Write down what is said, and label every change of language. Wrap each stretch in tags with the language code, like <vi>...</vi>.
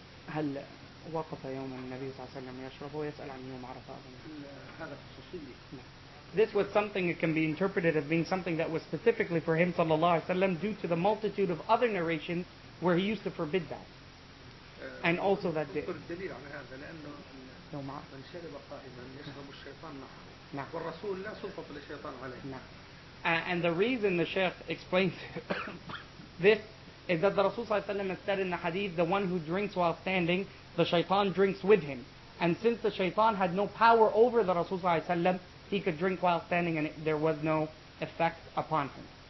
<ar>هل وقف يوم النبي صلى الله عليه وسلم يشرب ويسأل عن يوم عرفة؟</ar> <en>This was something that can be interpreted as being something that was specifically for him</en> <ar>صلى الله عليه وسلم</ar> <en>due to the multitude of other narrations where he used to forbid that. And also that day.</en> <ar>الدليل على هذا لأنه من شرب قائما يشرب الشيطان معه والرسول لا سلطة للشيطان عليه.</ar> <en>And the reason the Shaykh explains this is that the Rasul has said in the hadith, the one who drinks while standing, the shaitan drinks with him. And since the shaitan had no power over the Rasul, he could drink while standing and there was no effect upon him.</en>